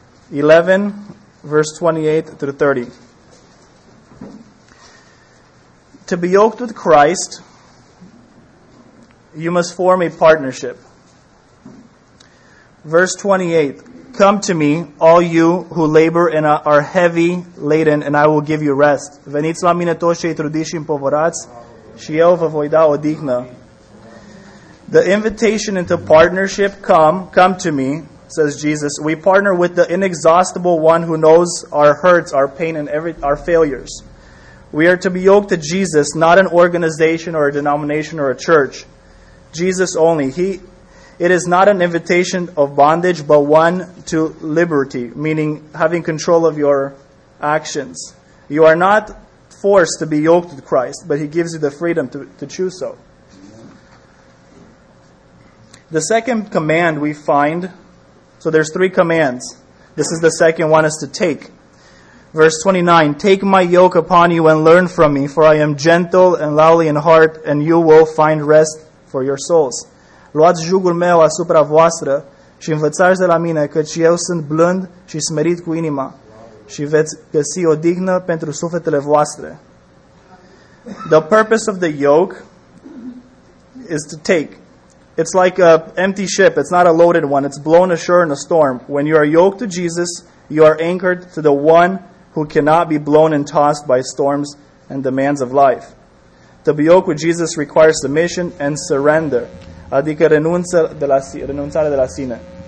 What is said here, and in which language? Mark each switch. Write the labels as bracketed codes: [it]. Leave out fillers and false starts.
[en] 11, verse 28 through 30. To be yoked with Christ, you must form a partnership. Verse 28. Come to me, all you who labor and are heavy laden, and I will give you rest. [ro] Veniți la mine toți cei trudiți și povărați, și eu vă voi da odihnă. [en] The invitation into partnership, come to me, says Jesus. We partner with the inexhaustible one who knows our hurts, our pain, and our failures. We are to be yoked to Jesus, not an organization or a denomination or a church. Jesus only. It is not an invitation of bondage, but one to liberty, meaning having control of your actions. You are not forced to be yoked to Christ, but He gives you the freedom to choose so. The second command we find, so there's three commands. This is the second one is to take. Verse 29, take my yoke upon you and learn from me, for I am gentle and lowly in heart, and you will find rest for your souls. [ro] Luați jugul meu asupra voastră și învățați de la mine, căci eu sunt blând și smerit cu inima, și veți găsi odihnă pentru sufletele voastre. [en] The purpose of the yoke is to take. It's like an empty ship. It's not a loaded one. It's blown ashore in a storm. When you are yoked to Jesus, you are anchored to the one who cannot be blown and tossed by storms and demands of life. To be yoked with Jesus requires submission and surrender. [ro] adică renunță de la renunțare de la sine.